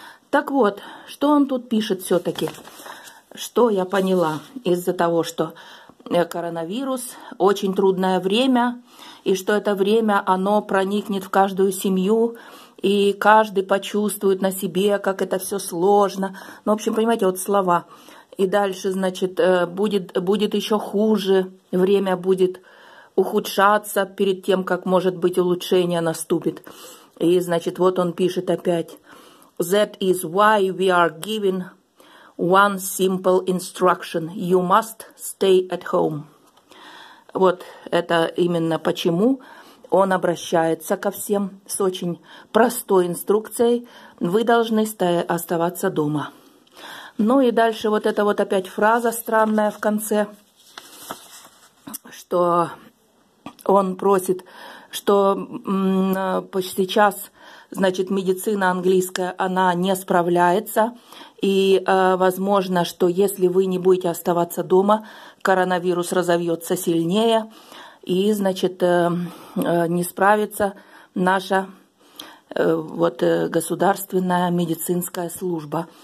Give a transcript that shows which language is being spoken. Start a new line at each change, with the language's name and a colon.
Russian: Так вот, что он тут пишет все-таки? Что я поняла из-за того, что коронавирус, очень трудное время, и что это время, оно проникнет в каждую семью, и каждый почувствует на себе, как это все сложно. Ну, в общем, понимаете, вот слова. И дальше, значит, будет еще хуже, время будет ухудшаться перед тем, как, может быть, улучшение наступит. И, значит, вот он пишет опять.
English: That is why we are given one simple instruction. You must stay at home.
Russian: Вот это именно почему он обращается ко всем с очень простой инструкцией. Вы должны оставаться дома. Ну и дальше вот эта вот опять фраза странная в конце, что он просит, что сейчас, значит, медицина английская, она не справляется, и возможно, что если вы не будете оставаться дома, коронавирус разовьется сильнее, и, значит, не справится наша государственная медицинская служба.